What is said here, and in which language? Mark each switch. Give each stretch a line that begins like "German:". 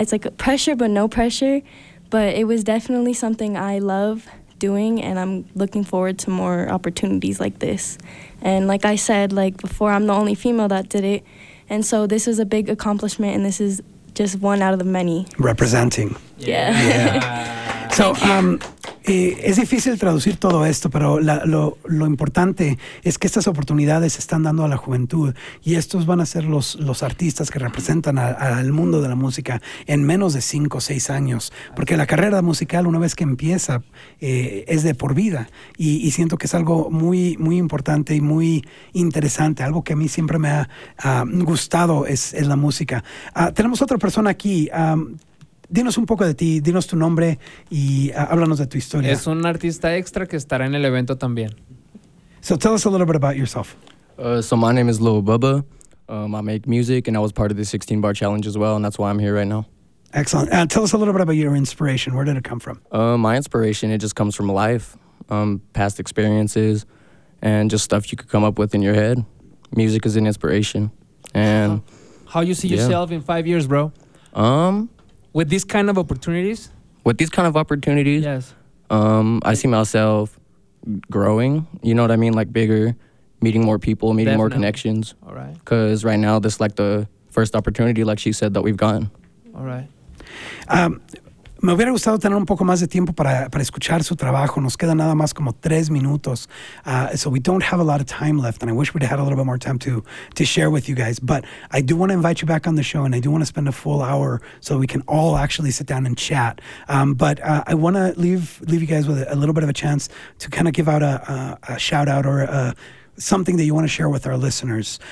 English: It's like pressure, but no pressure. But it was definitely something I love doing, and I'm looking forward to more opportunities like this. And like I said, like, before, I'm the only female that did it. And so this is a big accomplishment, and this is just one out of the many. Representing. Yeah.
Spanish: So, es difícil traducir todo esto, pero lo importante es que estas oportunidades se están dando a la juventud y estos van a ser los artistas que representan al mundo de la música en menos de 5 o 6 años. Porque la carrera musical, una vez que empieza, es de por vida. Y siento que es algo muy, muy importante y muy interesante. Algo que a mí siempre me ha gustado es la música. Tenemos otra persona aquí. Dinos un poco de ti, dinos tu nombre y háblanos de tu historia. Es un artista extra que estará en el evento también.
English: So tell us a little bit about yourself. So my name is Lil Bubba. I make music and I was part of the 16 Bar Challenge as well, and that's why I'm here right now. Excellent. Tell us a little bit about your inspiration. Where did it come from? My inspiration, it just comes from life, past experiences, and just stuff you could come up with in your head. Music is an inspiration. And how you see yourself in 5 years, bro? With these kind of opportunities? With these kind of opportunities? Yes. I see myself growing, you know what I mean? Like bigger, meeting more people, meeting Definitely. More connections. All right. Because right now, this is like the first opportunity, like she said, that we've gotten. All right.
Spanish: Me hubiera gustado tener un poco más de tiempo para escuchar su trabajo. Nos queda nada más como 3 minutos.
English: So we don't have a lot of time left, and I wish we'd had a little bit more time to share with you guys. But I do want to invite you back on the show, and I do want to spend a full hour so we can all actually sit down and chat. I want to leave you guys with a little bit of a chance to kind of give out a shout out or a something that you want to share with our listeners.